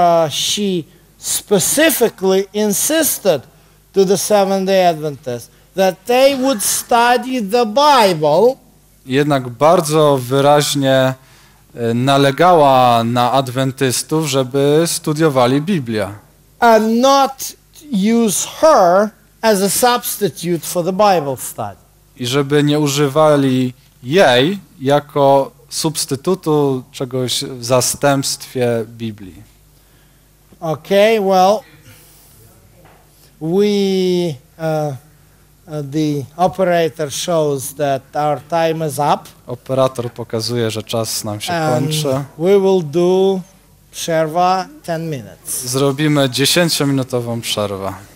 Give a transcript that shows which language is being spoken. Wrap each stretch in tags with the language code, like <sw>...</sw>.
<en>She specifically insisted to the Seventh-day Adventists that they would study the Bible.</en> <pl>Jednak bardzo wyraźnie nalegała na adwentystów, żeby studiowali Biblię.</pl> <en>And not use her as a substitute for the Bible study.</en> <pl>I żeby nie używali jej jako substytutu czegoś w zastępstwie Biblii.</pl> <en>Okay, well, we the operator shows that our time is up.</en> <pl>Operator pokazuje, że czas nam się kończy.</pl> <en>We will do</en> <pl>przerwa</pl> <en>10 minutes.</en> <pl>Zrobimy 10-minutową przerwę.</pl>